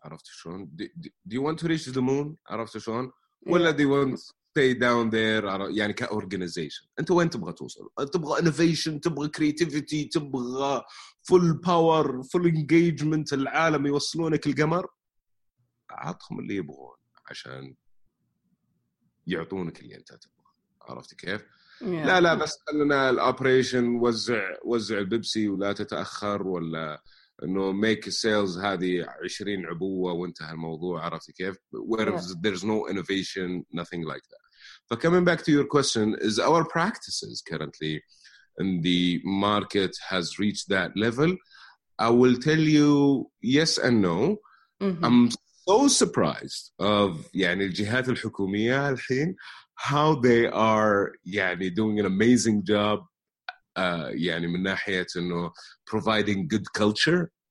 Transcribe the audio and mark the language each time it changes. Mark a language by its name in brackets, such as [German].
[Arabic] عرفت شلون؟ [English] do you want to reach the moon؟ عرفت شلون؟ ولا do you want stay down there, يعني كorganization. [Arabic] أنت وين تبغى توصل؟ تبغى innovation, تبغى creativity, تبغى full power, full engagement, العالم يوصلونك القمر؟ عطهم اللي يبغون عشان يعطونك اللي أنت تبغى. عرفت كيف؟ [English] Yeah. [Arabic] لا بس خلنا الoperation, وزع البيبسي ولا تتأخر، ولا إنه [English] make sales [Arabic] هذه 20 عبوة وانتهى الموضوع. عرفت كيف؟ [English] where yeah. there's no innovation, nothing like that. But coming back to your question, is our practices currently in the market has reached that level? I will tell you yes and no. Mm-hmm. I'm so surprised of [Arabic] يعني الجهات الحكومية الحين [English] how they are يعني doing an amazing job. [Arabic] يعني من ناحية إنه [English] providing good culture.